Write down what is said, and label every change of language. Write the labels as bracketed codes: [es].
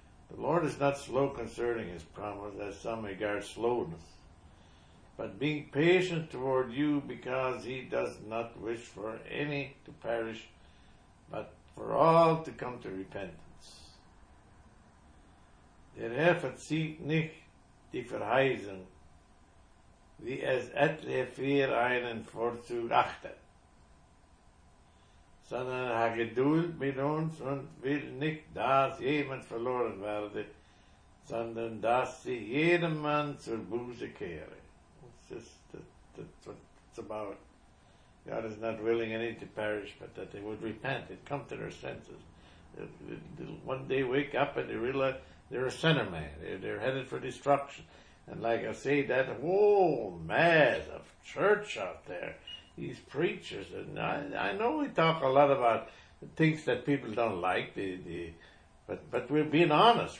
[en] The Lord is not slow concerning His promise, as some regard slowness, but being patient toward you, because He does not wish for any to perish, but for all to come to repentance. [de] Der Herr verzieht nicht die Verheißung, wie es etliche für einen Vorzug achten, sondern hat Geduld mit uns und will nicht, dass jemand verloren werde, sondern dass sie jedem Mann zur Buße kehre. [en] That's what it's about. God is not willing any to perish, but that they would repent. They'd come to their senses. They'll one day wake up and they realize they're a sinner, man. They're headed for destruction. And like I say, that whole mass of church out there, these preachers, and I know we talk a lot about things that people don't like, but we're being honest.